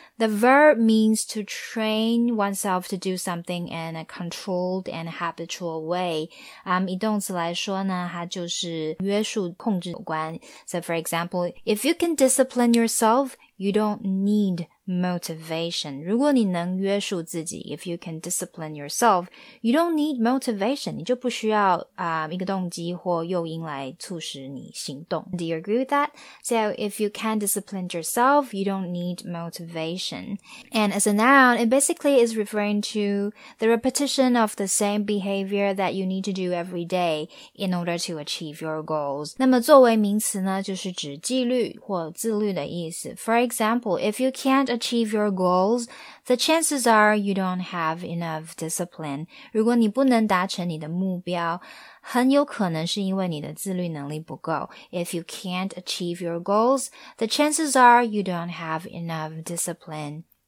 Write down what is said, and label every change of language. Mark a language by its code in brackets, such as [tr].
[en] The verb means to train oneself to do something in a controlled and habitual way. [zh] 以动词来说呢，它就是约束控制有关。 [en] So for example, if you can discipline yourself, you don't need motivation. [zh] 如果你能约束自己 [en] if you can discipline yourself, you don't need motivation. [zh] 你就不需要一个动机或诱因来促使你行动。 [en] Do you agree with that? So if you can discipline yourself, you don't need motivation. And as a noun, it basically is referring to the repetition of the same behavior that you need to do every day in order to achieve your goals. [zh] 那么作为名词呢，就是指纪律或自律的意思。 [en] For example, example, if you can't achieve your goals, the chances are you don't have enough discipline. [zh] 如果你不能达成你的目标，很有可能是因为你的自律能力不够。 [en] If you can't achieve your goals, the chances are you don't have enough discipline.